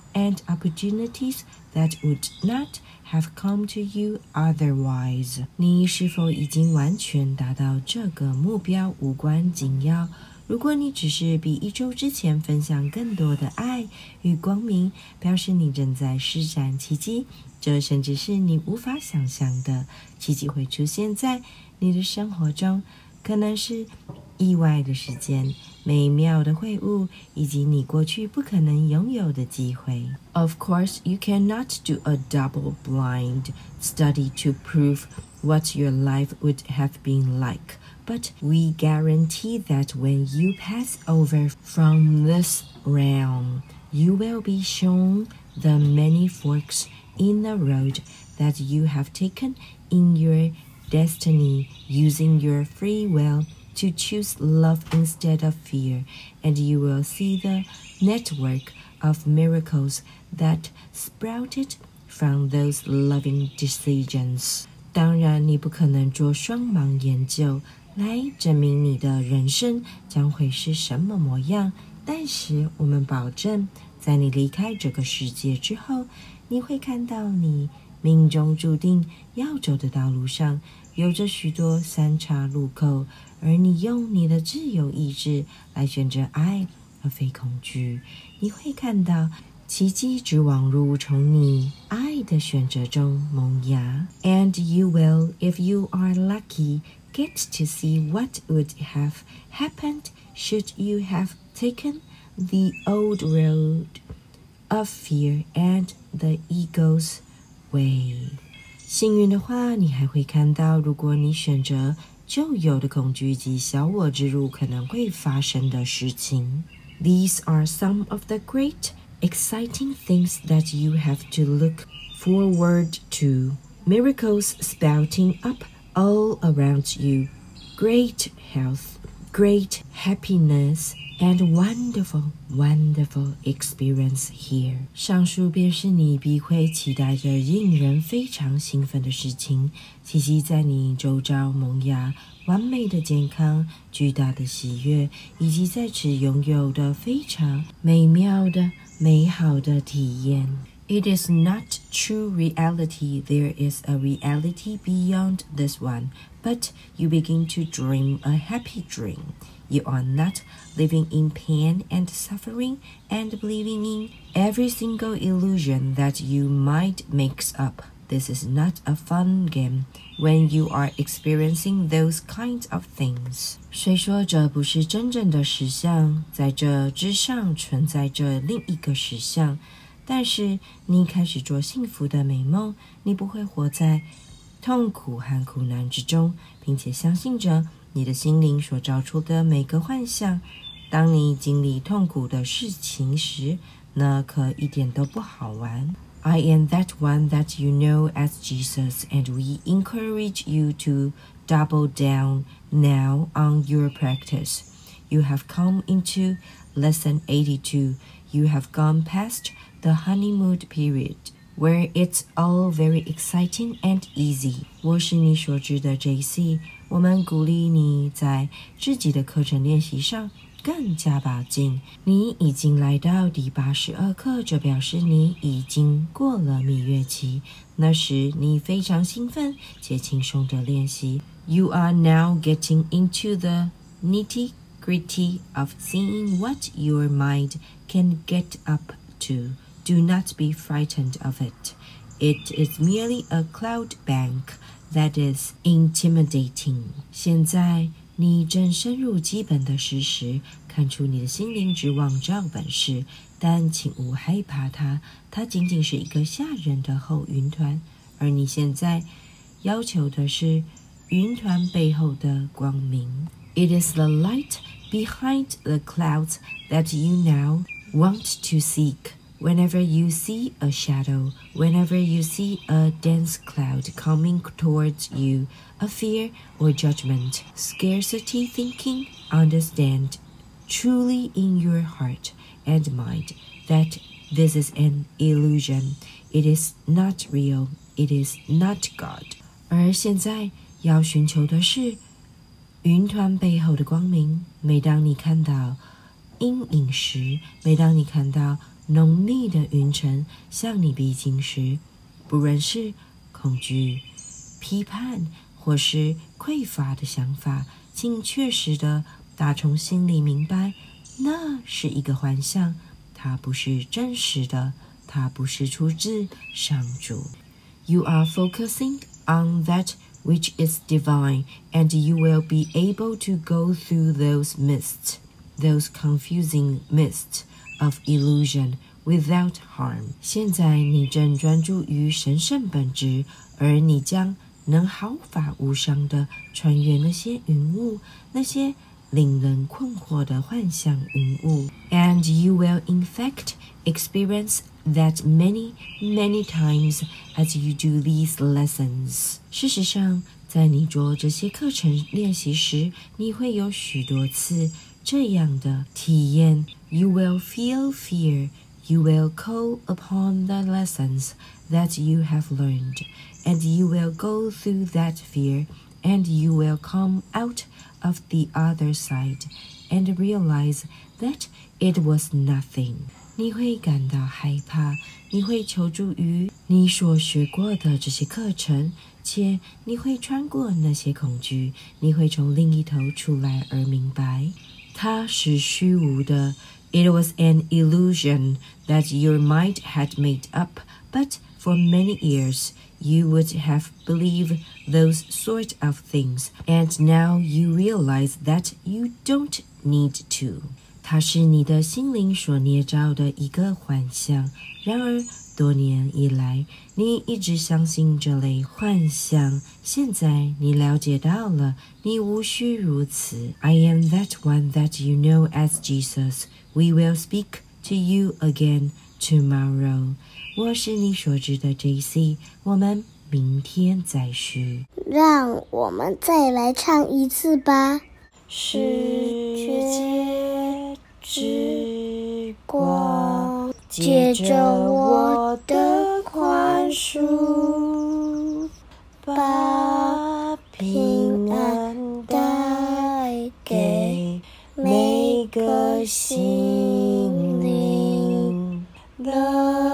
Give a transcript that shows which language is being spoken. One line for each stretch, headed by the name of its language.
English: and opportunities that would not have come to you otherwise.
Chinese: 你是否已经完全达到这个目标无关紧要。如果你只是比一周之前分享更多的爱与光明，表示你正在施展奇迹，这甚至是你无法想象的奇迹会出现在你的生活中，可能是意外的时间、美妙的会晤，以及你过去不可能拥有的机会。
English: Of course, you cannot do a double-blind study to prove what your life would have been like. But we guarantee that when you pass over from this realm, you will be shown the many forks in the road that you have taken in your destiny using your free will. To choose love instead of fear, and you will see the network of miracles that sprouted from those loving decisions.
Chinese: 当然，你不可能做双盲研究来证明你的人生将会是什么模样，但是我们保证，在你离开这个世界之后，你会看到你命中注定要走的道路上有着许多三岔路口。而你用你的自由意志来选择爱而非恐惧，你会看到奇迹之网如从你爱的选择中萌芽。
English: And you will, if you are lucky, get to see what would have happened should you have taken the old road of fear and the ego's way.
Chinese: 幸运的话，你还会看到如果你选择旧有的恐惧及小我之路可能会发生的事情。
English: These are some of the great exciting things that you have to look forward to. Miracles spouting up all around you. Great health, great happiness, and wonderful, wonderful experience here.
Chinese: 上述便是你必会期待着令人非常兴奋的事情，奇迹在你周遭萌芽，完美的健康，巨大的喜悦，以及在此拥有的非常美妙的、美好的体验。
English: It is not true reality. There is a reality beyond this one. But you begin to dream a happy dream. You are not living in pain and suffering and believing in every single illusion that you might make up. This is not a fun game when you are experiencing those kinds of things.
Chinese: 谁说这不是真正的实相？在这之上存在着另一个实相。但是你开始做幸福的美梦，你不会活在痛苦和苦难之中，并且相信着你的心灵所造出的每个幻象。当你经历痛苦的事情时，那可一点都不好玩。
English: I am that one that you know as Jesus, and we encourage you to double down now on your practice. You have come into lesson 82. You have gone past the honeymoon period, where it's all very exciting and easy.
Chinese: 我是你所知的 JC, 我们鼓励你在自己的课程练习上更加把劲。你已经来到第82课，这表示你已经过了蜜月期。那时你非常兴奋且轻松的练习。
English: You are now getting into the nitty-gritty of seeing what your mind can get up to. Do not be frightened of it. It is merely a cloud bank that is intimidating.
Chinese: 现在你正深入基本的事实，看出你的心灵之网罩本事，但请勿害怕它，它仅仅是一个吓人的厚云团，而你现在要求的是云团背后的光明。
English: It is the light behind the clouds that you now want to seek. Whenever you see a shadow, whenever you see a dense cloud coming towards you,A fear or judgment, scarcity thinking, understand truly in your heart and mind that this is an illusion. It is not real. It is not God.
Chinese: 而现在要寻求的是云团背后的光明。每当你看到阴影时，每当你看到浓密的云层向你逼近时，不论是恐惧、批判或是匮乏的想法，请确实地打从心里明白，那是一个幻象，它不是真实的，它不是出自上主。
English: You are focusing on that which is divine, and you will be able to go through those mists, those confusing mists of illusion without harm.
Chinese: 现在你正专注于神圣本质，而你将能毫发无伤地穿越那些云雾，那些令人困惑的幻象云雾。
English: And you will in fact experience that many, many times as you do these lessons.
Chinese: 事实上，在你做这些课程练习时，你会有许多次这样的体验。
English: You will feel fear. You will call upon the lessons that you have learned. And you will go through that fear, and you will come out of the other side, and realize that it was nothing.
Chinese: 你会感到害怕，你会求助于你所学过的这些课程，且你会穿过那些恐惧，你会从另一头出来而明白，它是虚无的。
English: It was an illusion that your mind had made up, but for many years,You would have believed those sort of things, and now you realize that you don't need to.
Chinese: 它是你的心灵所捏造的一个幻象。然而，多年以来，你一直相信这类幻象。现在，你了解到了，你无需如此。
English: I am that one that you know as Jesus. We will speak to you again tomorrow.
Chinese: 我是你所知的 JC， 我们明天再续。让我们再来唱一次吧。世界之光，借着我的宽恕，把平安带给每个心灵。